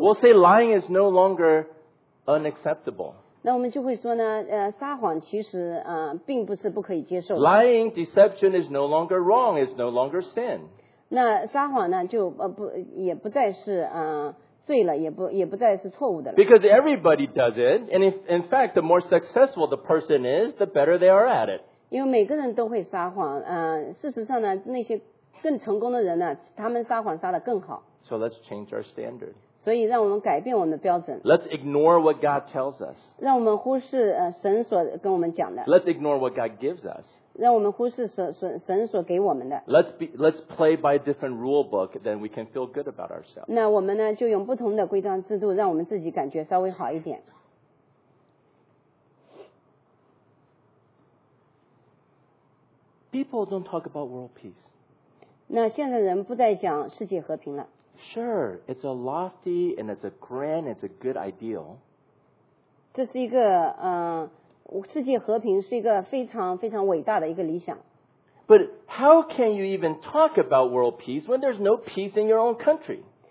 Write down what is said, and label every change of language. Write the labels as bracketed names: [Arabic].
[English] We'll say lying is no longer unacceptable. [Chinese] 那我们就会说呢，撒谎其实并不是不可以接受的。 [English] Lying, deception is no longer wrong. It's no longer sin. [Chinese] 那撒谎呢就不再是罪了，也不再是错误的了。 [English] Because everybody does it, and in fact, the more successful the person is, the better they are at it. [Chinese] 因为每个人都会撒谎，事实上呢，那些更成功的人呢，他们撒谎撒得更好。 [English] So let's change our standard. [Chinese] 所以让我们改变我们的标准。 [English] Let's ignore what God tells us. [Chinese] 让我们忽视神所跟我们讲的。 [English] Let's ignore what God gives us. [Chinese] 让我们忽视神所给我们的。 [English] Let's play by a different rule book, then we can feel good about ourselves. [Chinese] 那我们呢，就用不同的规章制度，让我们自己感觉稍微好一点。 [English] People don't talk about world peace. [Chinese] 那现在人不再讲世界和平了。 [English] Sure, it's a lofty and it's a grand, it's a good ideal. [Chinese] 这是一个世界和平是一个非常非常伟大的一个理想。 [English] But how can you even talk about world peace when there's no peace in your own country?